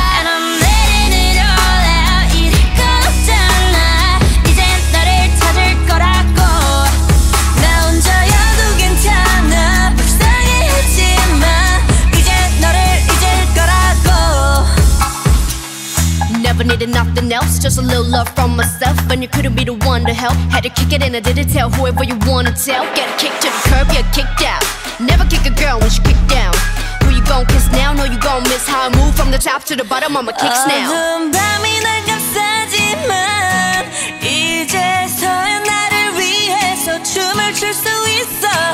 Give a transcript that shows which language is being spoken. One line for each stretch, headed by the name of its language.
English: And I'm letting it all out.
Korean: 이리 걸었잖아. 이젠 너를 찾을 거라고. 나 혼자여도 괜찮아. 불쌍해했지만 이젠 너를 잊을 거라고.
English: Never needed nothing else. Just a little love from myself. And you couldn't be the one to help. Had to kick it and I didn't tell whoever you wanna tell. Get a kick to the curb, you're kicked out. Never kick a girl when she kicked down. Who you gon' kiss now? No, you gon' miss how I move from the top to the bottom. I'ma kick now.
Korean: 어두운 밤이 날 감싸지만 이제서야 나를 위해서 춤을 출 수 있어.